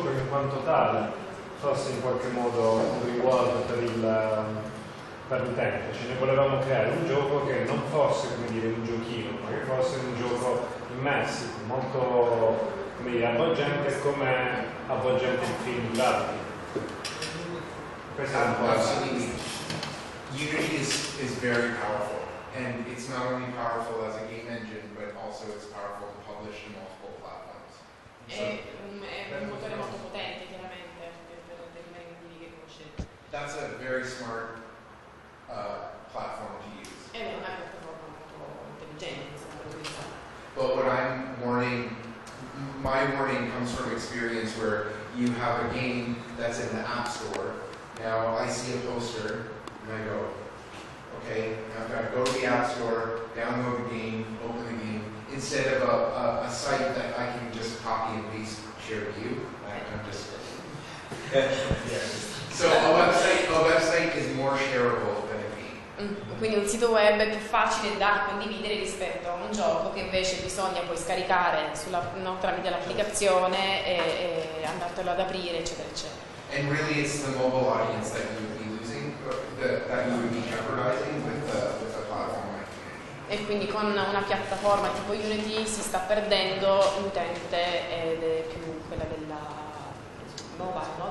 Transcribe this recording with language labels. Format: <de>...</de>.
<it>Fosse in qualche modo un reward per l'utente, cioè noi volevamo creare un gioco che non fosse, come dire, un giochino, ma che fosse un gioco immersivo, molto, come dire, avvolgente, come avvolgente il film di Barbie. Questa è un po'</it> <en>absolutely. Unity is very powerful, and it's not only powerful as a game engine, but also it's powerful to publish in multiple platforms.</en> <it>È un motore molto potente.</it> <en>That's a very smart platform to use. But what I'm warning, my warning comes from experience where you have a game that's in the app store. Now I see a poster and I go, okay, I've got to go to the app store, download the game, open the game, instead of a site that I can just copy and paste, share with you. I'm just So a website is more shareable than a game.</en> <it>Quindi un sito web è più facile da condividere rispetto a un gioco che invece bisogna poi scaricare sulla, no, tramite l'applicazione e andartelo ad aprire, eccetera, eccetera.</it> <en>And really it's the mobile audience that you would be losing, that you would be jeopardizing with a platform like Unity.</en> <it>E quindi con una piattaforma tipo Unity si sta perdendo l'utente ed è più quella della mobile, no?</it>